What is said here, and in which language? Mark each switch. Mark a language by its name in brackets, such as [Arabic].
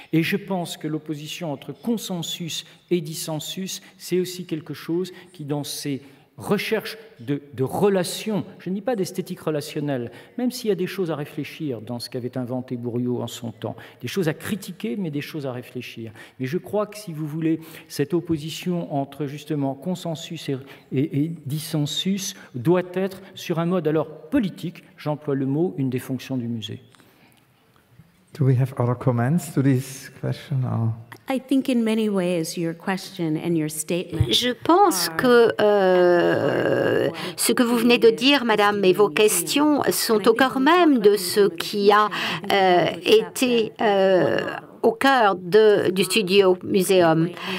[French] Et je pense que l'opposition entre consensus et dissensus, c'est aussi quelque chose qui, dans ses recherches de relations, je ne dis pas d'esthétique relationnelle, même s'il y a des choses à réfléchir dans ce qu'avait inventé Bourriaud en son temps, des choses à critiquer, mais des choses à réfléchir. Mais je crois que, si vous voulez, cette opposition entre justement consensus et dissensus doit être sur un mode alors politique, j'emploie le mot, une des fonctions du musée. [English] Do we have other comments to this question or... I think in many ways your question and your statement. [French] Je pense que ce que vous venez de dire, madame, et vos questions sont au cœur même de ce qui a été au cœur du studio muséum.